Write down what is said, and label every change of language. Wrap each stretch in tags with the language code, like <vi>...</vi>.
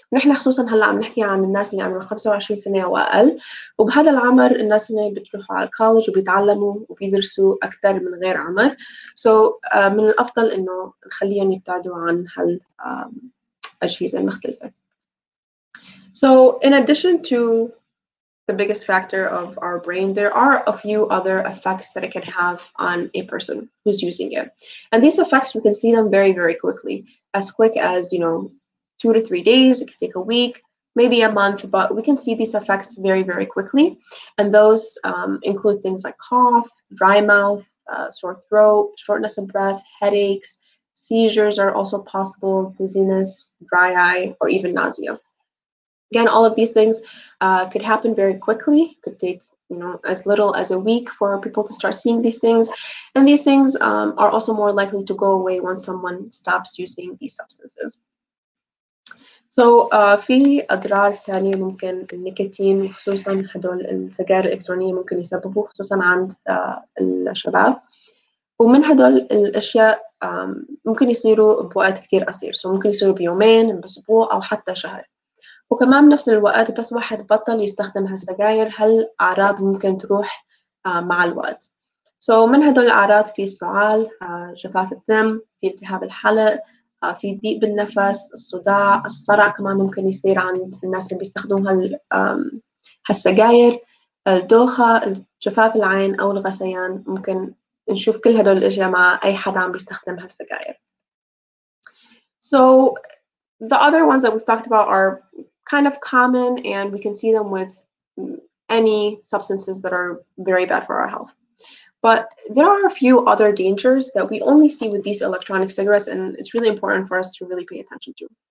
<ar>نحن خصوصاً هلأ عم نحكي عن الناس اللي عمره 25 سنة أو أقل، وبهذا العمر الناس اللي بتروحوا على الكوليج وبيتعلموا وبيدرسوا أكثر من غير عمر. So من الأفضل إنه نخليهم يبتعدوا عن هالأجهزة المختلفة.</ar> <en>So in addition to the biggest factor of our brain, there are a few other effects that it can have on a person who's using it. And these effects, we can see them very, very quickly, as quick as, you know, 2 to 3 days, it can take a week, maybe a month, but we can see these effects very, very quickly. And those include things like cough, dry mouth, sore throat, shortness of breath, headaches, seizures are also possible, dizziness, dry eye, or even nausea. Again, all of these things could happen very quickly, could take, you know, as little as a week for people to start seeing these things. And these things are also more likely to go away once someone stops using these substances.</en> <ar>So في أضرار تانية ممكن النيكوتين خصوصا هدول السجائر الإلكترونية ممكن يسببوا خصوصا عند الشباب. ومن هدول الأشياء ممكن يصيروا بوقت كتير قصير. So ممكن يصيروا بيومين بأسبوع أو حتى شهر. وكمان نفس الوقت بس واحد بطل يستخدم هالسجاير هالأعراض ممكن تروح مع الوقت. So من هدول الأعراض في الصعال، جفاف الدم، في التهاب الحلق، في ضيق بالنفس، الصداع، الصرع كمان ممكن يصير عند الناس اللي بيستخدموا هالسجاير، الدوخة، جفاف العين أو الغثيان. ممكن نشوف كل هدول الأشياء مع أي حدا عم بيستخدم هالسجاير.</ar> <en>So the other ones that we've talked about are kind of common, and we can see them with any substances that are very bad for our health. But there are a few other dangers that we only see with these electronic cigarettes, and it's really important for us to really pay attention to.</en>